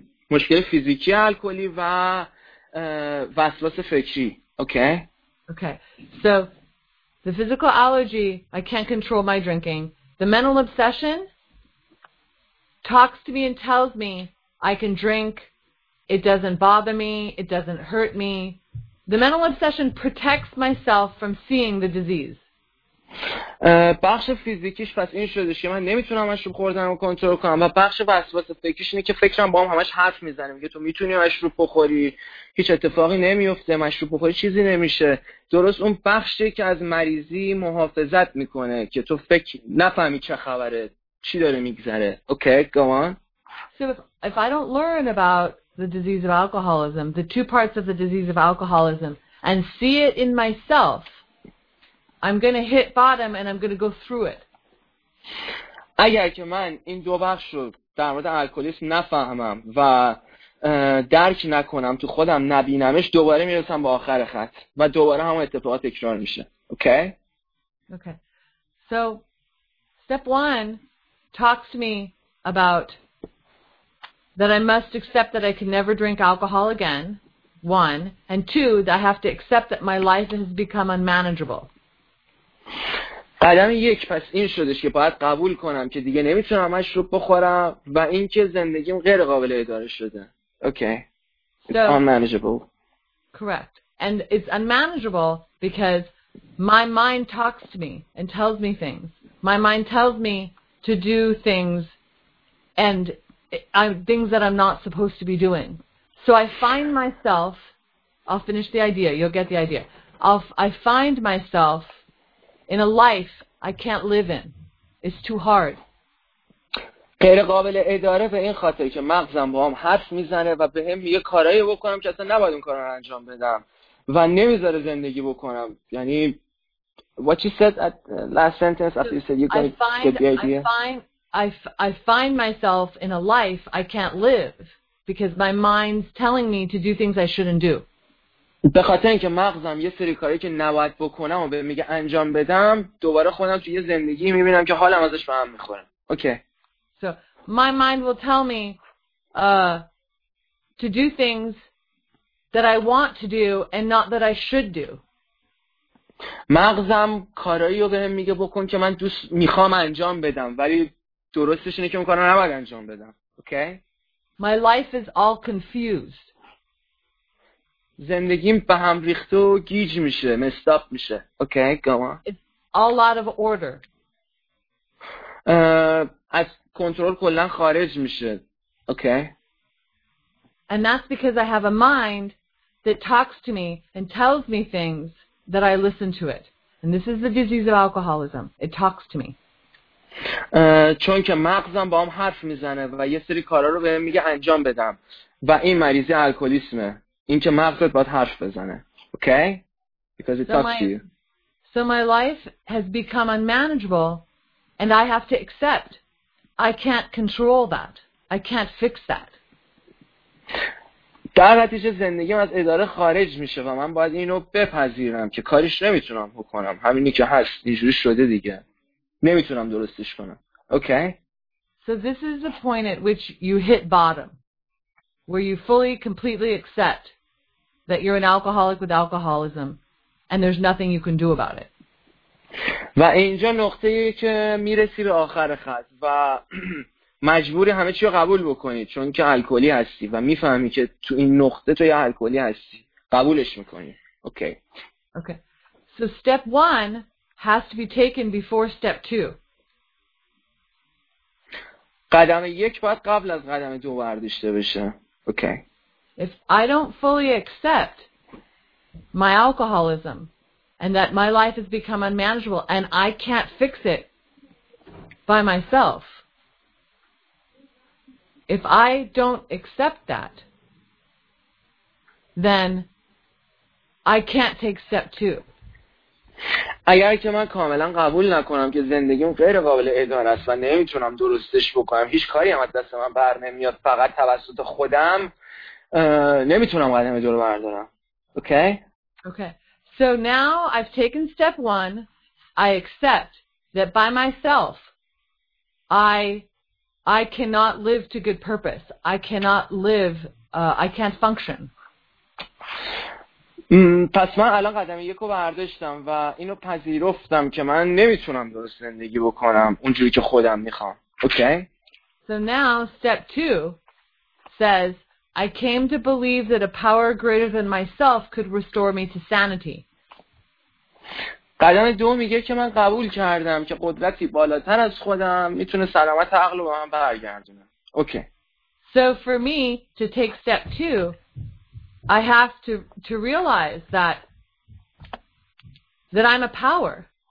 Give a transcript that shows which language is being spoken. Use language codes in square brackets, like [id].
[fa] مشکل فیزیکی الکلی و وسواس فکری. [en] Okay. Okay. So the physical allergy, I can't control my drinking. The mental obsession talks to me and tells me I can drink. It doesn't bother me. It doesn't hurt me. The mental obsession protects myself from seeing the disease. [fa] بخش فیزیکیش پس این شده که من نمیتونم مشروب خوردن رو کنترل کنم و بخش وسواس فکریش اینه که فکرم با هم همش حرف میزنه، میگه تو میتونی مشروب بخوری، هیچ اتفاقی نمیفته، مشروب بخوری چیزی نمیشه. درست اون بخشی که از مریضی محافظت میکنه که تو فکر نفهمی چه خبره، چی داره میگذره. [en] Okay, go on. So if I don't learn about the disease of alcoholism, the two parts of the disease of alcoholism, and see it in myself, I'm going to hit bottom and I'm going to go through it. [fa] اگر که من این دو بخش رو در مورد الکلیسم نفهمم و درک نکنم، تو خودم نبینمش، دوباره میرسم به آخر خط و دوباره همون اتفاق تکرار میشه. [en] Okay? Okay. So step 1 talks to me about that I must accept that I can never drink alcohol again. 1 and 2 that I have to accept that my life has become unmanageable. [fa] قدم یک پس این شدش که باید قبول کنم که دیگه نمیتونم مشروب بخورم و این که زندگیم غیر قابل اداره شده. [en] Okay. It's so, unmanageable. Correct. And it's unmanageable because My mind talks to me and tells me things. My mind tells me to do things and things that I'm not supposed to be doing. So I find myself, I'll finish the idea, you'll get the idea. I find myself in a life I can't live in. It's too hard. [fa] غیر قابل اداره به این خاطر که مغزم با هم حرف میزنه و به هم میگه کارهایی بکنم که اصلا نباید اون کار رو انجام بدم و نمیذاره زندگی بکنم. یعنی [en] what you said at last sentence after you said you can't get the idea. I find myself in a life I can't live because my mind's telling me to do things I shouldn't do. [fa] به خاطر اینکه مغزم یه سری کاری که نباید بکنم و به میگه انجام بدم دوباره خودم توی یه زندگی میبینم که حالم ازش به هم میخوره. [en] Okay. So my mind will tell me to do things that I want to do and not that I should do. [fa] مغزم کارایی رو بهم میگه بکن که من دوست میخوام انجام بدم ولی درستش اینه که اون کارا رو نباید انجام بدم. [en] Okay? My life is all confused. [fa] زندگیم به هم ریخته و گیج میشه، مستاپ میشه. [en] Okay, go on. It's all out of order. [fa] از کنترل کلا خارج میشه. اوکی؟ [en] And that's because I have a mind that talks to me and tells me things that I listen to it. And this is the disease of alcoholism. It talks to me. [fa] چون که مغزم با هم حرف میزنه و یه سری کارا رو بهم میگه انجام بدم و این مریضی الکلیسمه. این که مغزت باید حرف بزنه. [en] Okay? Because it talks to you. So my life has become unmanageable and I have to accept. I can't control that. I can't fix that. [fa] در نتیجه زندگیم از اداره خارج میشه و من باید اینو بپذیرم که کاریش نمیتونم بکنم. همینی که هست اینجوری شده دیگه. نمیتونم درستش کنم. اوکی؟ [en] So this is the point at which you hit bottom. Where you fully, completely accept that you're an alcoholic with alcoholism and there's nothing you can do about it. [fa] و اینجا نقطه ای که میرسی به آخر خط و مجبوری همه چی رو قبول بکنی چون که الکلی هستی و میفهمی که تو این نقطه تو یه الکلی هستی قبولش میکنی. [en] Okay. Okay. So step 1 has to be taken before step 2. [fa] قدم 1 باید قبل از قدم 2 برداشته بشه. [en] Okay. If I don't fully accept my alcoholism and that my life has become unmanageable and I can't fix it by myself. If I don't accept that, then I can't take step 2. [fa] اگر که من کاملا قبول نکنم که زندگیم غیر قابل اداره است و نمیتونم درستش بکنم، هیچ کاری هم از دست من بر نمیاد، فقط توسط خودم نمیتونم قدم دور بردارم. [en] Okay? Okay. So now I've taken step 1. I accept that by myself I cannot live to good purpose. I cannot live, I can't function. [fa] پس من الان قدم یک رو برداشتم و اینو پذیرفتم که من نمیتونم درست زندگی بکنم اونجوری که خودم میخوام. [en] Okay? So now step 2 says, I came to believe that a power greater than myself could restore me to sanity. [fa] قدم دو میگه که من قبول کردم که قدرتی بالاتر از خودم میتونه سلامت عقل رو به من برگردونه. [en] Okay. So for me to take step 2, I have to realize that I'm a power.